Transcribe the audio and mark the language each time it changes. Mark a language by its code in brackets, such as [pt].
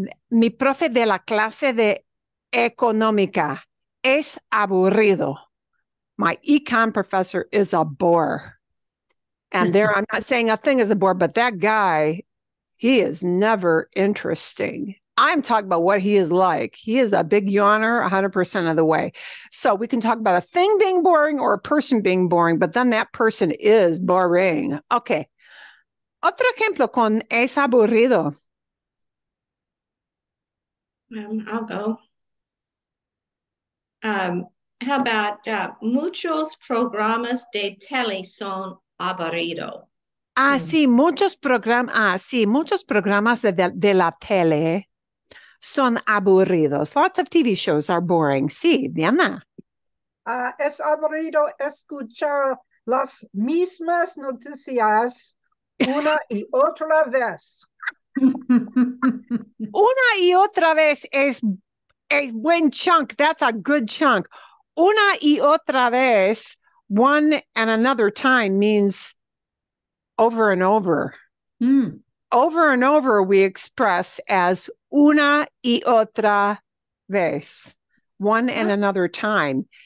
[es] Mi profe de la clase de económica es aburrido. [en] My econ professor is a bore. And there, I'm not saying a thing is a bore, but that guy, he is never interesting. I'm talking about what he is like. He is a big yawner 100% of the way. So we can talk about a thing being boring or a person being boring, but then that person is boring. [es] Okay. Otro ejemplo con es aburrido. [en] I'll go. How about [es] muchos programas de tele son aburrido? Muchos programas de la tele son aburridos. [en] Lots of TV shows are boring. [es] Sí, [en] Diana. [es] Es aburrido escuchar las mismas noticias una y otra vez. Una y otra vez es a buen chunk. [en] That's a good chunk. [es] Una y otra vez, [en] one and another time, means over and over. Mm. Over and over, we express as [es] una y otra vez, [en] one and another time.